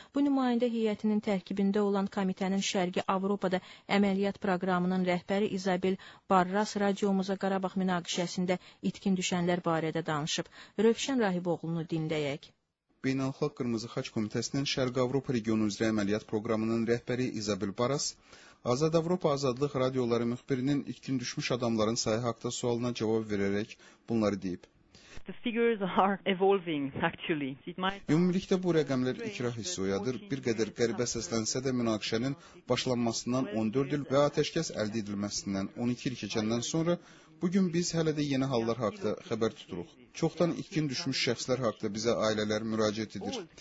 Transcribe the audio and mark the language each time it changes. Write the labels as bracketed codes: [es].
[az] Bu nümayəndə heyətinin tərkibində olan komitənin Şərqi Avropada əməliyyat proqramının rəhbəri İzabel Barras radiomuza Qarabağ münaqişəsində itkin düşənlər barədə danışıb. Rövşən Rahiboğlunu dinləyək. Beynəlxalq Qırmızı Xaç Komitəsinin Şərq Avropa regionu üzrə əməliyyat proqramının rəhbəri İzabel Barras, Azad Avropa Azadlıq radioları müxbirinin itkin düşmüş adamların sayı haqqında sualına cavab verərək bunları deyib. [en] The figures are evolving, actually. [az] Ümumilikdə bu rəqəmlər ikra hissi oyadır. Bir qədər qəribə səslənsə də münaqişənin başlanmasından 14 il və atəşkəs əldə edilməsindən 12 il keçəndən sonra bugün biz hələ də yeni hallar haqda xəbər tuturuq. Çoxdan itkin düşmüş şəxslər haqda bizə ailələr müraciət edir.